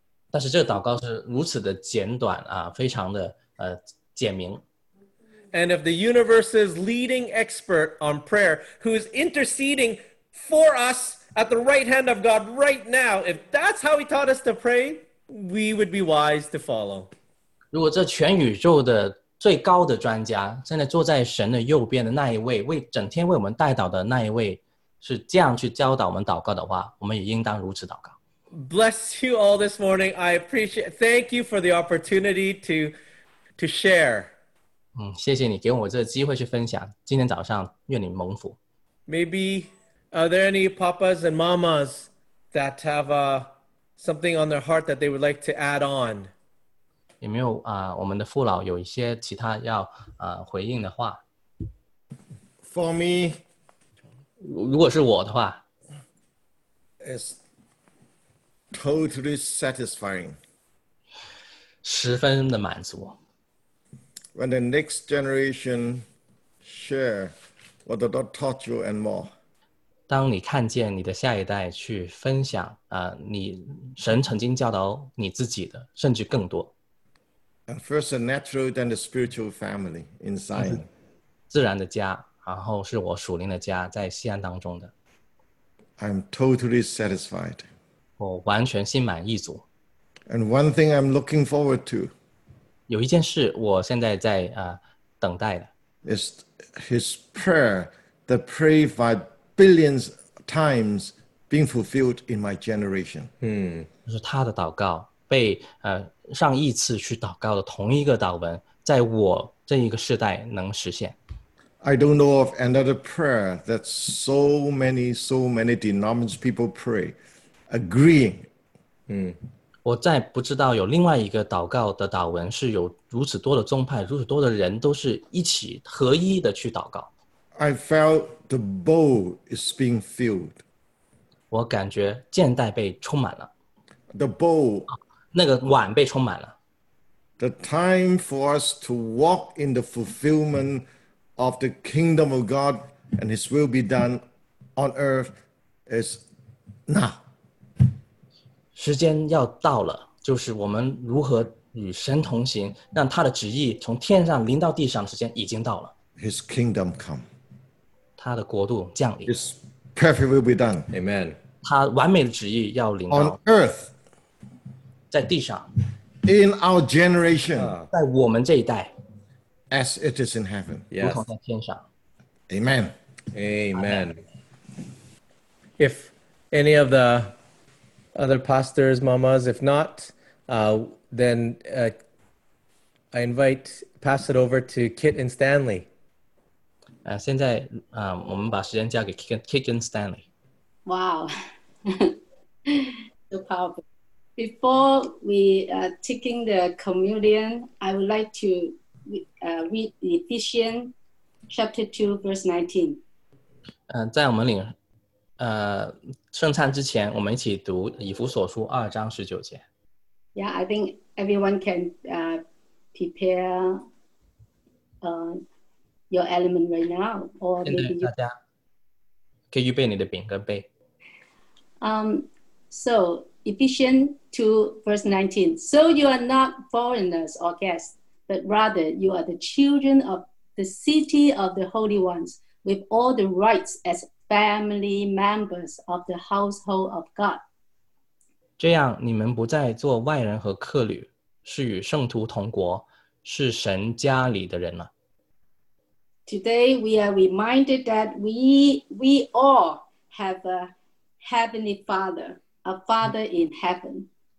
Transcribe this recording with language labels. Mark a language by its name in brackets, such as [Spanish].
[Chinese] 但是这个祷告是如此的简短啊，非常的简明。 [English] And if the universe's leading expert on prayer, who is interceding for us at the right hand of God right now, if that's how He taught us to pray, we would be wise to follow. [Chinese] 如果这全宇宙的最高的专家，现在坐在神的右边的那一位，为整天为我们代祷的那一位，是这样去教导我们祷告的话，我们也应当如此祷告。 [English] Bless you all this morning. I appreciate. Thank you for the opportunity to share. [Chinese] 谢谢你给我这个机会去分享。今天早上愿你蒙福。 [English] Maybe are there any papas and mamas that have something on their heart that they would like to add on? [Chinese] 有没有我们的父老有一些其他要回应的话 [English] ？For me, [Chinese] 如果是我的话 [English] ，is totally satisfying. [Chinese] 十分的满足。 [English] When the next generation share what the Lord taught you and more. [Chinese] 当你看见你的下一代去分享你神曾经教导你自己的甚至更多。 [English] And first the natural then the spiritual family in Zion. [Chinese] 自然的家然后是我属灵的家在锡安当中的。 [English] I'm totally satisfied. [Chinese] 我完全心满意足。 [English] And one thing I'm looking forward to. [Chinese] 有一件事我现在在等待的。 [English] It's his prayer that prayed by billions times being fulfilled in my generation. [Chinese] 就是他的祷告被上亿次去祷告的同一个祷文在我这一个世代能实现。 [English] I don't know of another prayer that so many denominations people pray agreeing. [Chinese] 我再不知道有另外一个祷告的祷文是有如此多的宗派，如此多的人都是一起合一的去祷告。 [English] I felt the bowl is being filled. [Chinese] 我感觉箭袋被充满了。 [English] The bowl. [Chinese] 那个碗被充满了。 [English] The time for us to walk in the fulfillment of the kingdom of God and His will be done on earth is now. [Chinese] 时间要到了，就是我们如何与神同行，让他的旨意从天上临到地上的时间已经到了。 [English] His kingdom come. [Chinese] 他的国度降临。 [English] His perfect will be done. Amen. [Chinese] 他完美的旨意要临到。 [English] On earth. [Chinese] 在地上。 [English] In our generation. [Chinese] 在我们这一代。 [English] As it is in heaven. [Chinese] 如同在天上。 [English] Amen. Amen. If any of the... other pastors, mamas, if not, then I invite, pass it over to Kit and Stanley. [Chinese] 现在我们把时间交给 Kegan Stanley. [English] Wow. So powerful. Before we are taking the communion, I would like to read Ephesians chapter 2, verse 19. [Chinese] 在我们领圣餐之前，我们一起读以弗所书二章十九节。 [English] Yeah, I think everyone can prepare your element right now. Or maybe [Chinese] 大家可以预备你的饼跟杯。 [English] So, Ephesians 2, verse 19. So you are not foreigners or guests, but rather you are the children of the city of the Holy Ones with all the rights as family members of the household of God. [Chinese] 这样你们不再做外人和客旅，是与圣徒同国，是神家里的人了。 [English] Today we are reminded that we all have a heavenly father, a father in heaven.